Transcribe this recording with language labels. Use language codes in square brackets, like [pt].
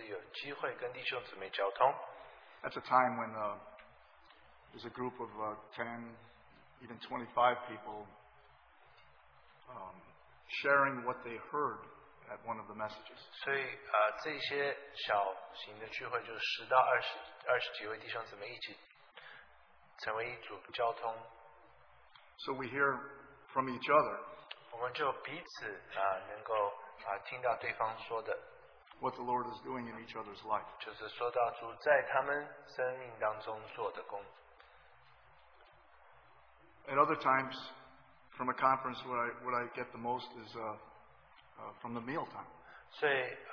[zh] 所以常常在这些特会里，我最得到帮助的时候，就是有机会跟弟兄姊妹交通. [en] That's a time when there's a group of 10, even 25 people sharing what they heard at one of the messages. [zh] 所以这些小型的聚会就是10到20几位弟兄姊妹一起成为一组交通. [en] So we hear from each other [zh] 我们就彼此能够听到对方说的 [en] what the Lord is doing in each other's life. [zh] 就是说到主在他们生命当中做的工. [en] At other times, from a conference, what I get the most is from the meal time.